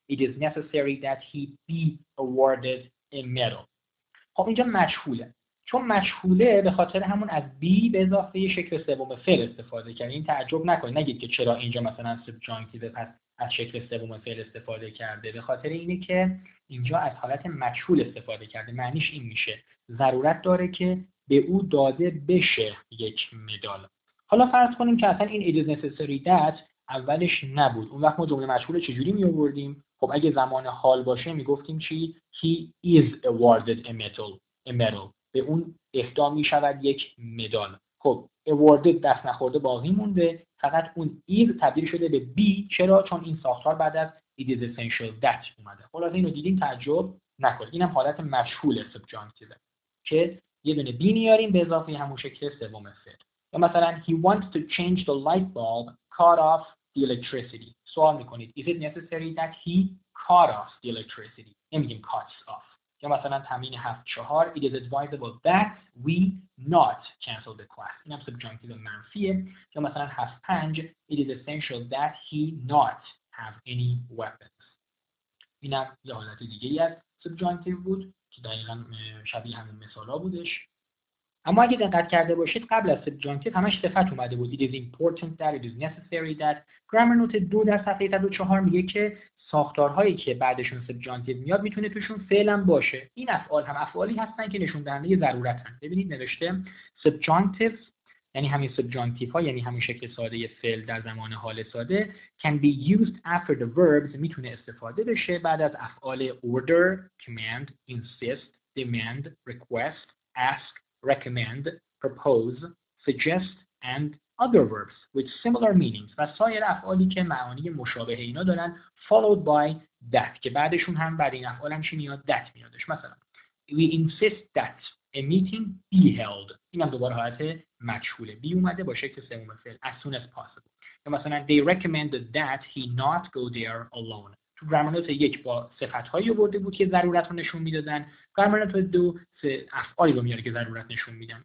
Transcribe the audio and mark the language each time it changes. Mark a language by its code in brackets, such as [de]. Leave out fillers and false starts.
[en] It is necessary that he be awarded a medal. [fa] خب اینجا مجهوله. چون مجهوله به خاطر همون از be به اضافه شکل سوم فعل استفاده کرد. این تعجب نکنید. نگید که چرا اینجا مثلا subjunctive پس از شکل سوم فعل استفاده کرده. به خاطر اینه که اینجا از حالت مجهول استفاده کرده. معنیش این میشه. ضرورت داره که به او داده بشه یک مدال. حالا فرض کنیم که اصلا این [en] it is necessary that [fa] اولش نبود. اون وقت ما جمله مجهول چجوری میآوردیم؟ خب اگه زمان حال باشه میگفتیم چی؟ [en] He is awarded a medal. [fa] به اون اهدا میشود یک مدال. خب awarded دست نخورده باقی مونده. فقط اون is تبدیل شده به be. چرا؟ چون این ساختار بعد از [en] it is essential that [fa] اومده. حالا اینو دیدیم تعجب نکنید. اینم حالت مجهول subjunctive که یه دونه بی میاریم به اضافه همون شکل سوم فعل. یا مثلا [en] he wants to change the light bulb cut off the electricity. [fa] سوال میکنید [en] is it necessary that he cut off the electricity. [fa] نمیگیم [en] cuts off. [fa] یا مثلا تمرین [en] 7-4 it is advisable that we not cancel the class. [fa] این هم subjunctive منفیه. یا مثلا [en] 7-5 it is essential that he not have any weapons. [fa] این هم یه حالت دیگه ای از subjunctive بود که دقیقا شبیه همین مثالا بودش. اما اگه دقت کرده باشید قبل از subjunctive همش صفت اومده بود. [en] It is important that, it is necessary that. [fa] گرامر نوت 2 در صفحه 104 میگه که ساختارهایی که بعدشون subjunctive میاد میتونه توشون فعل هم باشه. این افعال هم افعالی هستن که نشون دهنده ضرورت هستن. ببینید نوشته subjunctive یعنی همین subjunctive ها یعنی همین شکل ساده فعل در زمان حال ساده [en] can be used after the verbs [fa] میتونه استفاده بشه بعد از افعال [en] order, command, insist, demand, request, ask, recommend, propose, suggest and other verbs with similar meanings [fa] و سایر افعالی که معانی مشابه اینا دارن [en] followed by that [fa] که بعدشون هم بعد این افعال هم چی میاد that میادش مثلا [en] we insist that a meeting be held. [fa] این هم دوباره حالت مجهوله. بی اومده با شکل سوم فعل. [en] As soon as possible. [fa] مثلا [en] they recommend that he not go there alone. [fa] تو گرامر نوت 1 با صفتهایی رو برده بود که ضرورت رو نشون میدادن. گرامر نوت 2 افعالی رو میاره که ضرورت نشون میدن.